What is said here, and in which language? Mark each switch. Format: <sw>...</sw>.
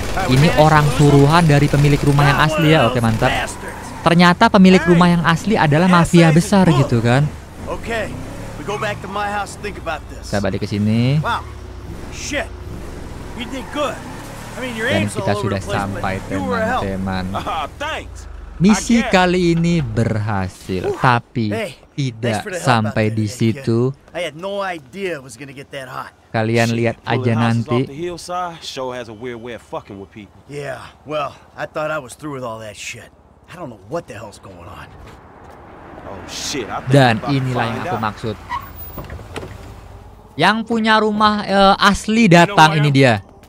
<id>Ini orang suruhan dari pemilik rumah yang asli ya. Oke, mantap. Ternyata pemilik rumah yang asli adalah mafia besar gitu kan.</id> <en>Okay, we go back to my house and think about this.</en> <id>Saya balik ke sini.</id> <en>Shit, we did good. I mean, your aim's all over the place, but you were helping. Thanks.</en> <id>Misi kali ini berhasil, tapi tidak sampai di situ.</id> <en>I had no idea it was gonna get that hot.</en> <id>Kalian lihat aja nanti.</id> <en>Show has a weird way of fucking with people. Yeah, well, I thought I was through with all that shit. I don't know what the hell's going on. Oh shit,</en> <id>dan inilah yang aku maksud. Yang punya rumah asli datang, ini dia.</id>